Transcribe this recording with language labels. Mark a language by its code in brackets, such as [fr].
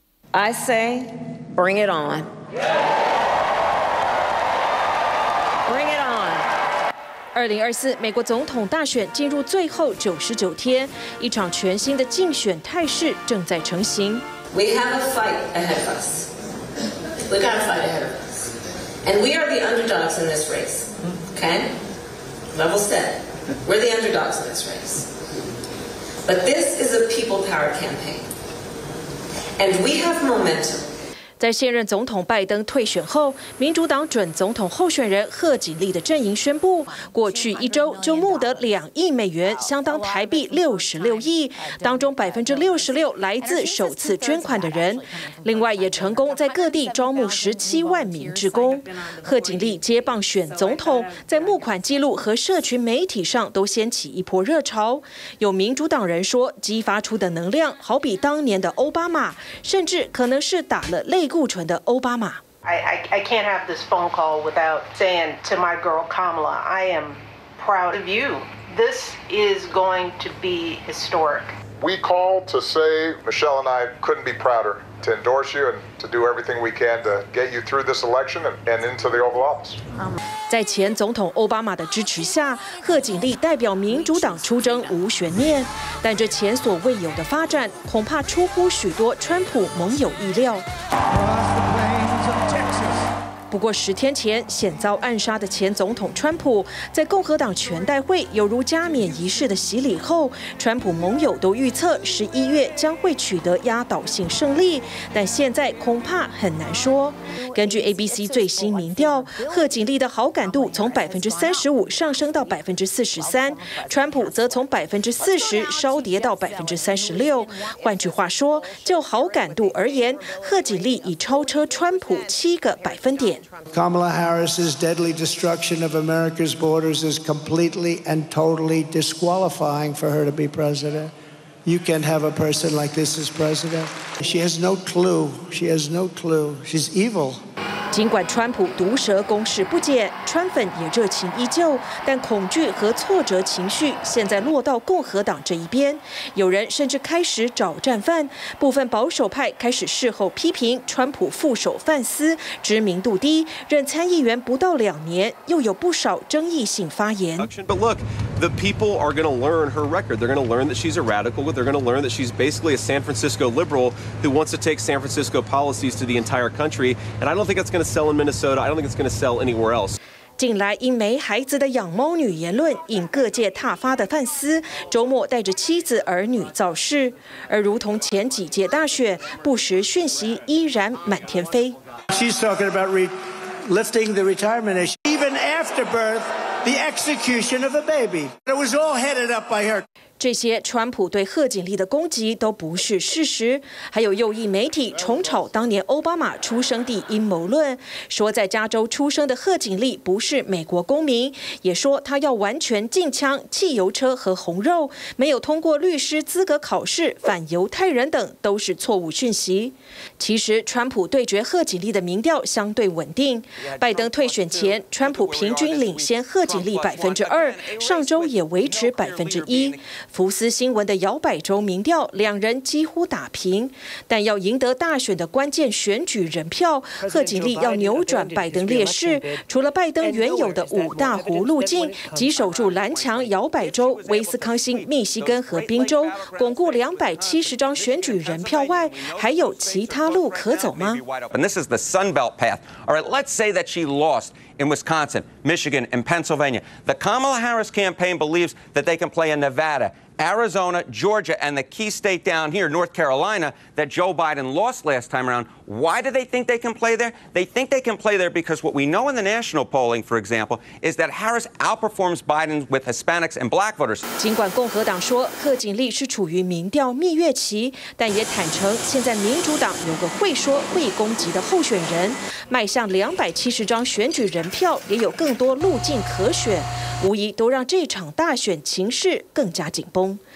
[en] I say, bring it on. Bring it on. [zh] 2024美国总统大选进入最后99天，一场全新的竞选态势正在成型。 [en] We have a fight ahead of us. We got a fight ahead of us. And we are the underdogs in this race. Okay? Level set. We're the underdogs in this race. But this is a people power campaign. And we have momentum. [zh] 在现任总统拜登退选后，民主党准总统候选人贺锦丽的阵营宣布，过去一周就募得2亿美元，相当台币66亿，当中66%来自首次捐款的人。另外，也成功在各地招募17万名志工。贺锦丽接棒选总统，在募款记录和社群媒体上都掀起一波热潮。有民主党人说，激发出的能量好比当年的奥巴马，甚至可能是打了类固醇的奥巴马。 [en] I can't have this phone call without saying to my girl Kamala, I am proud of you. This is going to be historic. We called to say Michelle and I couldn't be prouder to endorse you and to do everything we can to get you through this election and into the Oval Office. [zh] 在前总统奥巴马的支持下，贺锦丽代表民主党出征无悬念，但这前所未有的发展恐怕出乎许多川普盟友意料。不过10天前险遭暗杀的前总统川普，在共和党全代会有如加冕仪式的洗礼后，川普盟友都预测11月将会取得压倒性胜利，但现在恐怕很难说。根据 ABC 最新民调，贺锦丽的好感度从35%上升到43%，川普则从40%稍跌到36%。换句话说，就好感度而言，贺锦丽已超车川普7个百分点。 [en] Kamala Harris's deadly destruction of America's borders is completely and totally disqualifying for her to be president. You can't have a person like this as president. She has no clue. She has no clue. She's evil. [zh] 尽管川普毒舌攻势不减，川粉也热情依旧，但恐惧和挫折情绪现在落到共和党这一边，有人甚至开始找战犯，部分保守派开始事后批评川普副手范斯知名度低，任参议员不到2年，又有不少争议性发言。 [en] But look, the people are going to learn her record. They're going to learn that she's a radical. They're going to learn that she's basically a San Francisco liberal who wants to take San Francisco policies to the entire country. And I don't think it's going to sell in Minnesota. I don't think it's going to sell anywhere else. [zh] 近来因没孩子的养猫女言论引各界挞伐的范斯，周末带着妻子儿女造势，而如同前几届大选，不实讯息依然满天飞。 [en] She's talking about lifting the retirement issue, even after birth, the execution of a baby. It was all headed up by her. [zh] 这些川普对贺锦丽的攻击都不是事实，还有右翼媒体重炒当年奥巴马出生地阴谋论，说在加州出生的贺锦丽不是美国公民，也说他要完全禁枪、汽油车和红肉，没有通过律师资格考试，反犹太人等都是错误讯息。其实川普对决贺锦丽的民调相对稳定，拜登退选前川普平均领先贺锦丽2%，上周也维持1%。福斯新闻的摇摆州民调两人几乎打平，但要赢得大选的关键选举人票，贺锦丽要扭转拜登劣势，除了拜登原有的五大湖路径，即守住蓝墙摇摆州、威斯康星、密西根和宾州，巩固270张选举人票外，还有其他路可走吗？ [en] And this is the Sun Belt path. All right, let's say that she lost in Wisconsin, Michigan, and Pennsylvania. The Kamala Harris campaign believes that they can play in Nevada, Arizona, Georgia, and the key state down here, North Carolina, that Joe Biden lost last time around. Why do they think they can play there? They think they can play there because what we know in the national polling, for example, is that Harris outperforms Biden with Hispanics and black voters. [zh] 尽管共和党说贺锦丽是处于民调蜜月期，但也坦诚现在民主党有个会说会攻击的候选人，迈向270张选举人票，也有更多路径可选，无疑都让这场大选情势更加紧绷。